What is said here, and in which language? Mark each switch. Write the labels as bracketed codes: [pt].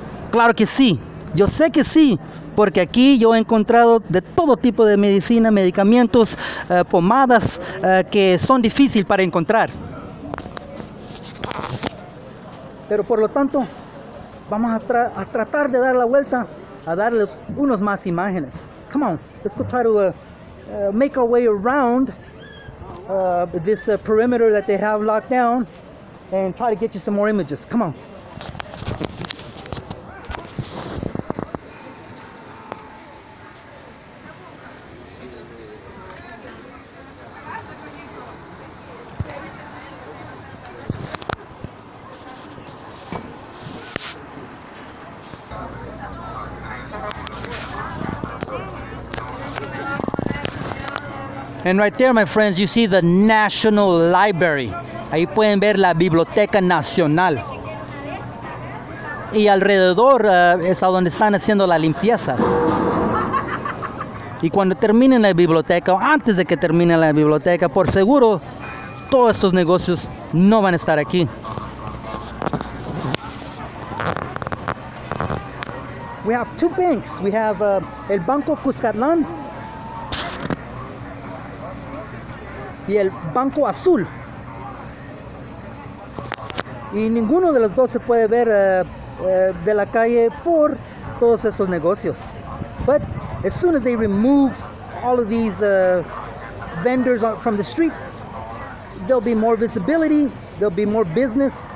[es] Claro que sí, yo sé que sí, porque aquí yo he encontrado de todo tipo de medicina, medicamentos, pomadas que son difícil para encontrar. Pero por lo tanto, vamos a tratar de dar la vuelta, a darles unos más imágenes. [en] Come on, let's go try to make our way around this perimeter that they have locked down and try to get you some more images. Come on. And right there, my friends, you see the National Library. [es] Ahí pueden ver la Biblioteca Nacional. Y alrededor es a donde están haciendo la limpieza. Y cuando terminen la biblioteca, o antes de que termine la biblioteca, por seguro, todos estos negocios no van a estar aquí. [en] We have two banks. We have El Banco Cuscatlán. [es] Y el Banco Azul. Y ninguno de los dos se puede ver de la calle por todos estos negocios. [en] But as soon as they remove all of these vendors from the street, there'll be more visibility, there'll be more business.